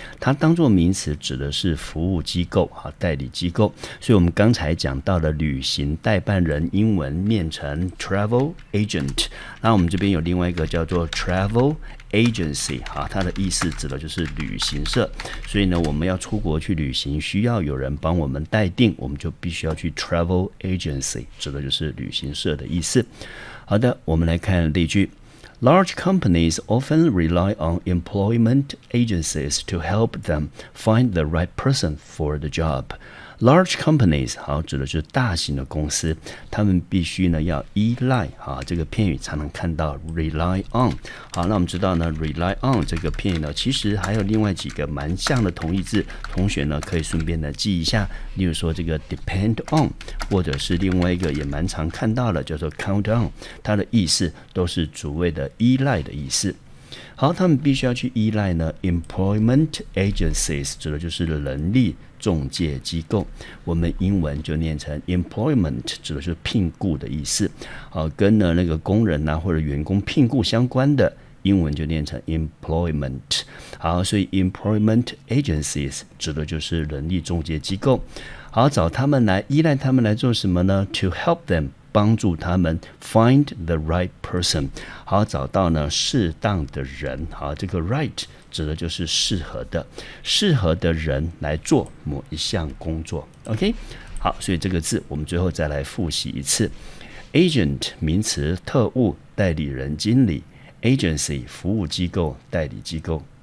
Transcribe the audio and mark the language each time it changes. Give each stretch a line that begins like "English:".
Chinese: 它当作名词指的是服务机构和代理机构，所以我们刚才讲到的旅行代办人，英文念成 travel agent。那我们这边有另外一个叫做 travel agency， 好，它的意思指的就是旅行社。所以呢，我们要出国去旅行，需要有人帮我们代订，我们就必须要去 travel agency， 指的就是旅行社的意思。好的，我们来看例句。
English: Large companies often rely on employment agencies to help them find the right person for the job. large companies
Chinese: 好指的就是大型的公司，他们必须呢要依赖啊这个片语才能看到 rely on。好，那我们知道呢 rely on 这个片语呢，其实还有另外几个蛮像的同义字，同学呢可以顺便的记一下，例如说这个 depend on， 或者是另外一个也蛮常看到的叫做 count on， 它的意思都是主谓的依赖的意思。好，他们必须要去依赖呢 employment agencies， 指的就是人力仲介机构，我们英文就念成 employment， 指的是聘雇的意思。好，跟呢那个工人啊或者员工聘雇相关的英文就念成 employment。好，所以 employment agencies 指的就是人力仲介机构。好，找他们来依赖他们来做什么呢？
English: To help them，
Chinese: 帮助他们
English: find the right person，
Chinese: 好，找到呢适当的人。好，这个 right 指的就是适合的人来做某一项工作。 OK， 好，所以这个字我们最后再来复习一次。 agent 名词，特务，代理人，经理。Agency 服务机构，代理机构。